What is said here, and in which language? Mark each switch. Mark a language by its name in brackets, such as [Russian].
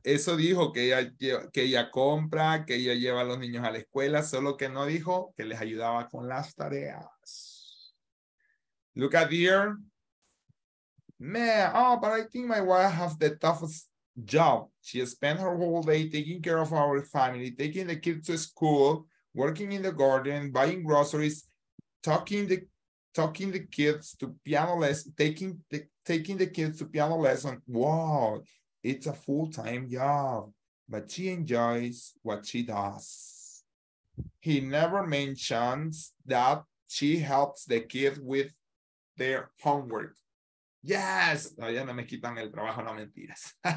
[Spanish] Eso dijo que ella compra, que ella lleva a los niños a la escuela, solo que no dijo que les ayudaba con las tareas. [English] Look at here. But I think my wife has the toughest job. She spent her whole day taking care of our family, taking the kids to school, working in the garden, buying groceries, talking the kids to piano lessons, taking the kids to piano lessons. Wow, it's a full-time job, but she enjoys what she does. He never mentions that she helps the kids with their homework. Yes, [Spanish] todavía no me quitan el trabajo, no mentiras.